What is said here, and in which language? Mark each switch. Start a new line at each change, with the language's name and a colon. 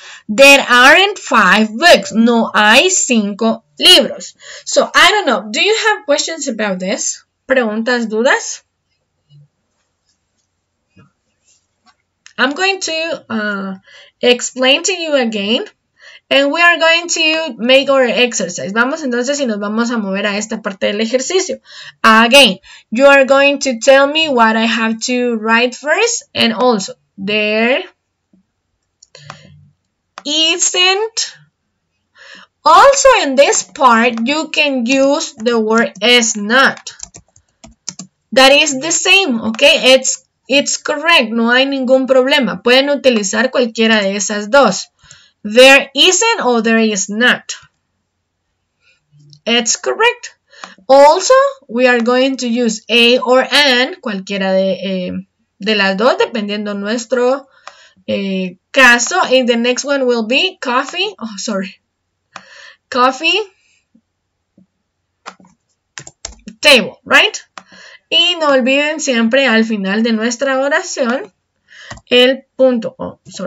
English: There aren't 5 books,
Spanish: no hay 5 libros.
English: So, I don't know, do you have questions about this?
Spanish: ¿Preguntas, dudas?
English: I'm going to explain to you again. And we are going to make our exercise.
Spanish: Vamos entonces y nos vamos a mover a esta parte del ejercicio.
English: Again, you are going to tell me what I have to write first. And also, there isn't... Also, in this part, you can use the word is not. That is the same, okay? It's correct,
Spanish: no hay ningún problema. Pueden utilizar cualquiera de esas dos. There isn't or there is not.
English: It's correct. Also, we are going to use a or an,
Spanish: cualquiera de las dos, dependiendo nuestro caso.
English: And the next one will be coffee table, right?
Spanish: Y no olviden siempre al final de nuestra oración el punto.